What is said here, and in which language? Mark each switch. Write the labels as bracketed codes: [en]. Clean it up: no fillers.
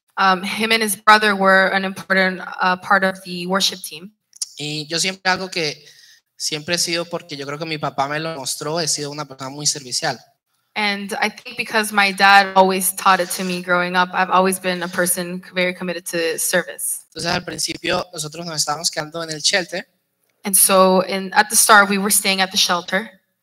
[en] Him and his brother were an important part of the worship team. [es] Y yo siempre algo que siempre he sido porque yo creo que mi papá me lo mostró, he sido una persona muy servicial. [en] And I think because my dad always taught it to me growing up, I've always been a person very committed to service. [es] Entonces al principio nosotros nos estábamos quedando en el shelter. [en] And so at the start we were staying at the shelter.